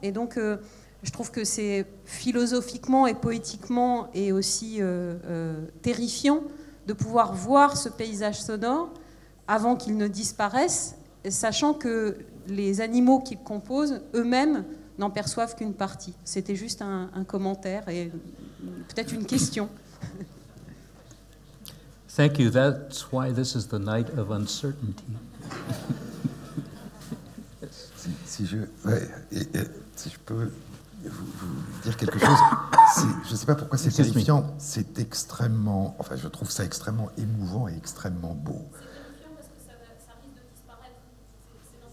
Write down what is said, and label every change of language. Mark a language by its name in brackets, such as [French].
[French] Et donc, je trouve que c'est philosophiquement et poétiquement et aussi terrifiant de pouvoir voir ce paysage sonore avant qu'il ne disparaisse, sachant que les animaux qui le composent, eux-mêmes, n'en perçoivent qu'une partie. C'était juste un commentaire et peut-être une question. [English] Thank you. That's why this is the night of uncertainty. [French] Si je peux vous dire quelque chose, je ne sais pas pourquoi c'est terrifiant. C'est extrêmement, enfin, je trouve ça extrêmement émouvant et extrêmement beau. C'est terrifiant parce que ça risque de disparaître.